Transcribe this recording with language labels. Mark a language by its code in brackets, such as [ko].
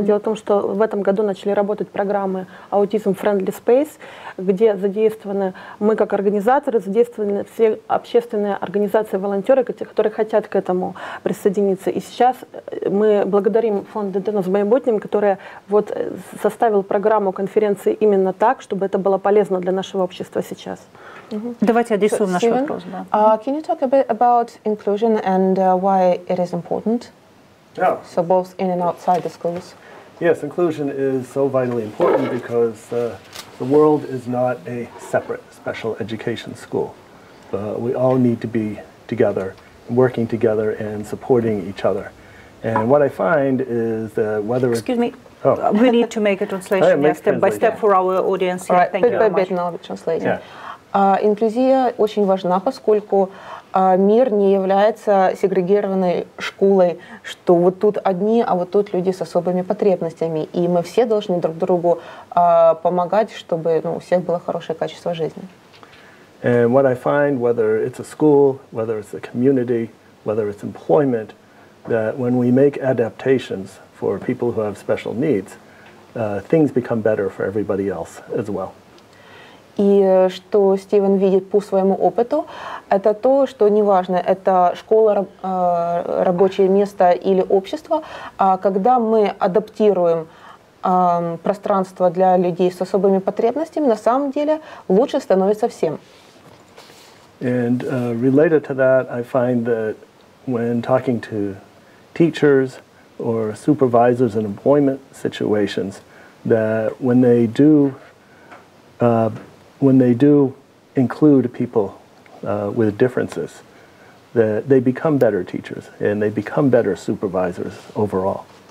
[ru] Дело в том, что в этом году начали работать программы «Autism Friendly Space», где задействованы мы как организаторы, задействованы все общественные организации, волонтеры, которые хотят к этому присоединиться. И сейчас мы благодарим фонд «Детенос Боеботнем», который вот составил программу конференции именно так, чтобы это было полезно для нашего общества сейчас. Давайте адресуем наш вопрос. [en] Can you talk a bit about inclusion and why it is important? Yeah. So both in and outside the schools. Yes, inclusion is so vitally important because the world is not a separate special education school. We all need to be together, working together and supporting each other. And what I find is that whether We need to make a translation step by step for our audience. All right, bit by bit, now we translate. [ru] Инклюзия очень важна, поскольку мир не является сегрегированной школой, что вот тут одни, а вот тут люди с особыми потребностями. И мы все должны друг другу помогать, чтобы у всех было хорошее качество жизни. [en] And what I find, whether it's a school, whether it's a community, whether it's employment, that when we make adaptations for people who have special needs, things become better for everybody else as well. [ru] И что Стивен видит по своему опыту, это то, что неважно, это школа, рабочее место или общество, когда мы адаптируем пространство для людей с особыми потребностями, на самом деле лучше становится всем. [en] And related to that, I find that when talking to teachers or supervisors in employment situations, that when they do include people with differences, that they become better teachers and they become better supervisors overall.